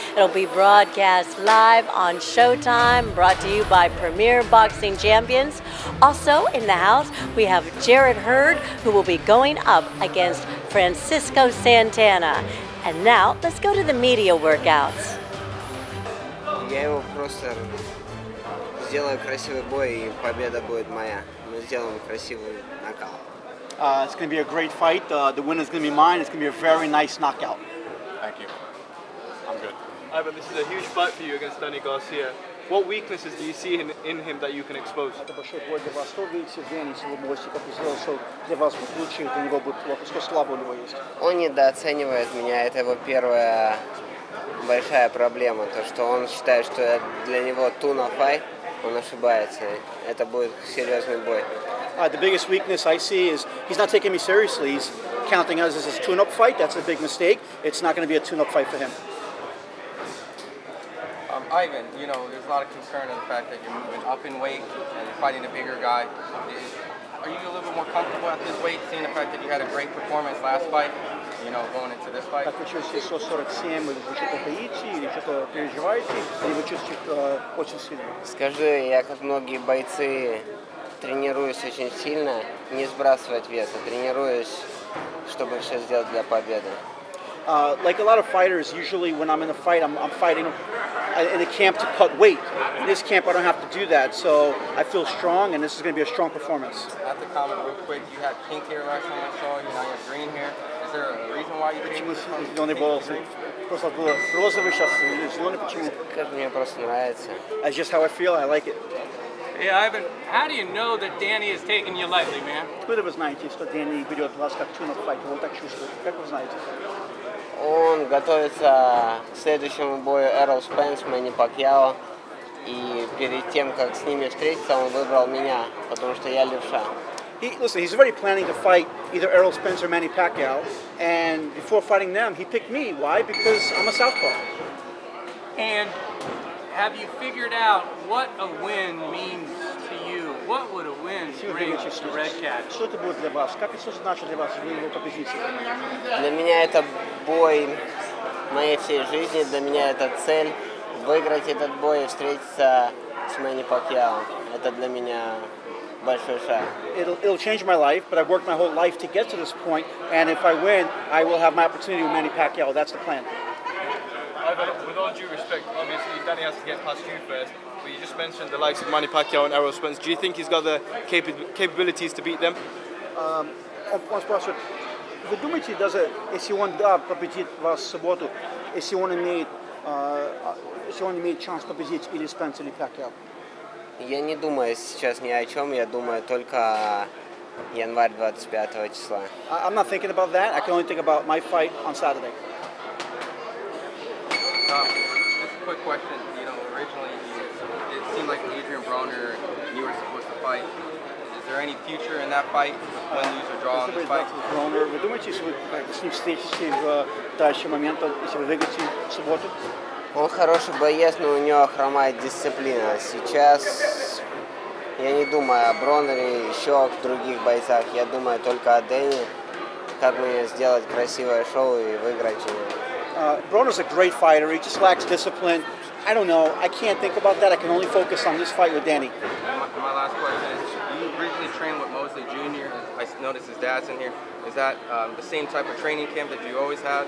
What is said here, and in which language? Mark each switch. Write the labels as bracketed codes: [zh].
[en] It'll be broadcast live on Showtime, brought to you by Premier Boxing Champions. Also in the house, we have Jarrett Hurd, who will be going up against Francisco Santana. And now, let's go to the media workouts. [ru] Я его просто сделаю красивый бой, и победа будет моя. Мы сделаем красивый нокаут. [en] It's going to be a great fight. The winner is going to be mine. It's going to be a very nice knockout. Thank you. I'm good. Ivan, this is a huge fight for you against Danny Garcia. What weaknesses do you see in him that you can expose? [ru] Это большой бой для вас. Что вы видите в Дэнни, если вы можете, как вы сделали, что для вас будет лучше, у него будет плохо, что слабо у него есть? Он недооценивает меня, это его первая большая проблема, то что он считает, что для него [en] tuna fight, [ru] он ошибается, это будет серьезный бой. [en] The biggest weakness I see is he's not taking me seriously, he's counting us as a tune-up fight, that's a big mistake, it's not going to be a tune-up fight for him. Ivan, you know, there's a lot of concern of the fact that you're moving up in weight and you're fighting a bigger guy. Are you a little bit more comfortable at this weight, seeing the fact that you had a great performance last fight, you know, going into this fight? [ru] Так вы чувствуете, что 47, вы что-то боитесь или что-то переживаете, или вы чувствуете очень сильно? Скажи, я, как многие бойцы, тренируюсь очень сильно, не сбрасывать вес, а тренируюсь, чтобы все сделать для победы. [en] Like a lot of fighters, usually when I'm in a fight, I'm fighting in a camp to cut weight. In this camp, I don't have to do that, so I feel strong, and this is going to be a strong performance. I have to comment real quick. You had pink hair last time I saw you, now you have green hair. Is there a reason why you changed? The only balls. [ru] Просто было розовый сейчас. Зеленый почему? Кажется, мне просто нравится. [en] That's just how I feel. I like it. Hey Ivan, how do you know that Danny is taking you lightly, man? Twitter was 90, [ru] что Danny ведет вас как [en] tune-up fight. [ru] Вот так чувствую. Как вы знаете? Он готовится к следующему бою Эрл Спенс, Мэнни Пакьяо. И перед тем, как с ними встретиться, он выбрал меня, потому что я левша. [en] Listen, he's already planning to fight either Errol Spence or Manny Pacquiao. And before fighting them, he picked me. Why? Because I'm a southpaw. And have you figured out what a win means to you? What would a win bring to Redkach? [ru] Что это будет для вас? Как это значит для вас, вы его победите? Для меня это бой моей всей жизни, для меня это цель выиграть этот бой и встретиться с Мэнни Пакьяо. Это для меня большой шаг. [en] It'll change my life, but I've worked my whole life to get to this point, and if I win, I will have my opportunity with Manny Pacquiao. That's the plan. With all due respect, obviously Danny has to get past you first, but you just mentioned the likes of Manny Pacquiao and Errol Spence. Do you think he's got the capabilities to beat them? [ru] Вы думаете, даже если он победит вас в субботу, если он имеет шанс победить или Спенс, или Пакьяо? Я не думаю сейчас ни о чем, я думаю только январь 25 числа. [en] I'm not thinking about that, I can only think about my fight on Saturday. Just a quick question, you know, originally it seemed like Adrian Broner, you were supposed to fight. Is there any future in that fight, when you lose or draw in this fight? [ru] Broner, вы думаете, если вы с ним встретитесь в дальнейший момент, если вы выиграете в субботу? Он хороший боец, но у него хромает дисциплина. Сейчас я не думаю о Бронере и еще о других бойцах. Я думаю только о Дэнни, как мне сделать красивое шоу и выиграть его. [en] Бронер's a great fighter, he just lacks discipline. I don't know, I can't think about that, I can only focus on this fight with Danny. My last question is, you recently trained with Mosley Jr., I noticed his dad's in here. Is that the same type of training camp that you always have?